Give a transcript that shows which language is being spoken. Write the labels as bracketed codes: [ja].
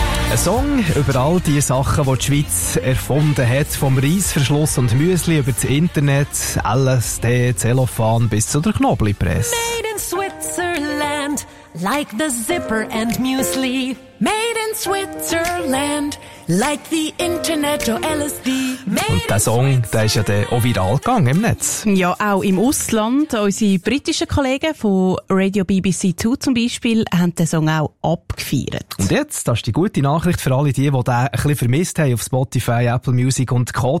[de] Ein Song über all die Sachen, die die Schweiz erfunden hat, vom Reissverschluss und Müsli über das Internet, LSD, Zellophan bis zu der Knoblauchpresse. [en] Made in Switzerland, like the zipper and Müsli. Made in Switzerland, like the Internet or LSD. [de] Und der Song, der ist ja dann auch viral gegangen im Netz. Ja, auch im Ausland. Unsere britischen Kollegen von Radio BBC 2 zum Beispiel haben den Song auch abgefeiert. Und jetzt, das ist die gute Nachricht für alle die, die den ein bisschen vermisst haben auf Spotify, Apple Music und Co.